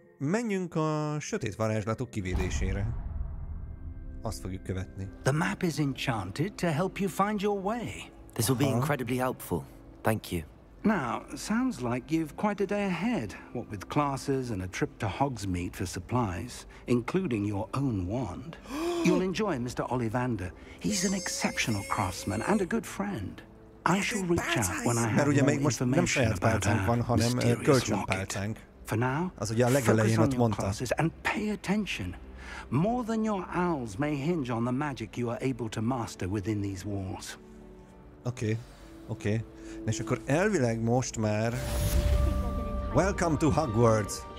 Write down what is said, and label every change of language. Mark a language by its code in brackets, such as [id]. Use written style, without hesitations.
[hu] Menjünk a sötét varázslatok kivédésére. Azt fogjuk követni. [en] The map is enchanted to help you find your way. This will be incredibly helpful. Thank you. Now, sounds like you've quite a day ahead, what with classes and a trip to Hogsmeade for supplies, including your own wand. You'll enjoy Mr. Ollivander. He's an exceptional craftsman and a good friend. I shall reach out when I have more information about our mysterious market. For now, focus on your classes and pay attention. More than your owls may hinge on the magic you are able to master within these walls. Okay. [hu] És akkor elvileg most már... [en] Welcome to Hogwarts!